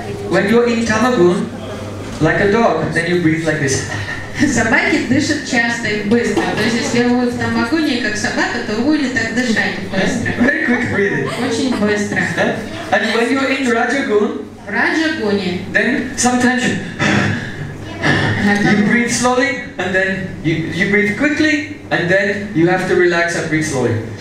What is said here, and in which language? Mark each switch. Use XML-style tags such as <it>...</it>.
<en>When you're in тамагун, like a dog, then you breathe like this.</en> <ru>Собаки дышат часто и быстро. То есть если вы в тамагуне как собака, то вы будете так дышать быстро.</ru> <en>Very quick breathing.</en> <ru>Очень быстро.</ru> <en>Yeah? And when you're in раджагун.</en> <ru>В раджагуне.</ru> <en>Then sometimes you breathe slowly, and then you breathe quickly, and then you have to relax and breathe slowly.</en>